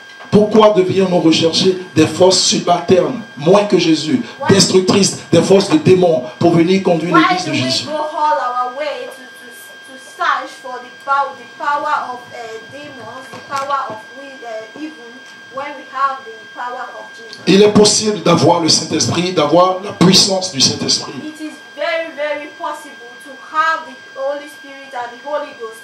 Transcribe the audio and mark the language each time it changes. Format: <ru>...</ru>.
<fr>Pourquoi devions-nous rechercher des forces subalternes, moins que Jésus, destructrices, des forces de démons, pour venir conduire l'église de Jésus?</fr> <en>Why do we go all our way to search for the power of demons, the power of evil, when we have the power of Jesus?</en> <fr>Il est possible d'avoir le Saint-Esprit, d'avoir la puissance du Saint-Esprit.</fr> <en>It is very, very possible to have the Holy Spirit and the Holy Ghost.</en>